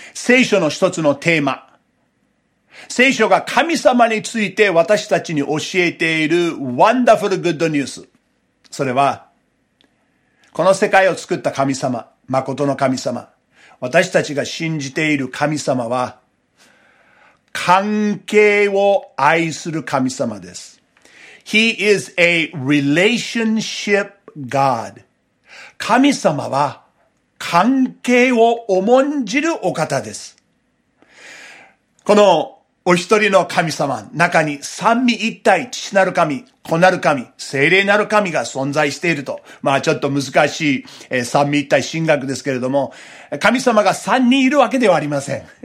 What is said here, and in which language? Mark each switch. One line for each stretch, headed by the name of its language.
Japanese: 聖書の一つのテーマ。聖書が神様について私たちに教えているワンダフルグッドニュース。それは、この世界を作った神様、誠の神様、私たちが信じている神様は、関係を愛する神様です。
English: He is a relationship God.
Japanese: 神様は関係を重んじるお方です。このお一人の神様の中に三位一体、父なる神、子なる神、聖霊なる神が存在していると。まあちょっと難しい三位一体神学ですけれども、神様が三人いるわけではありません。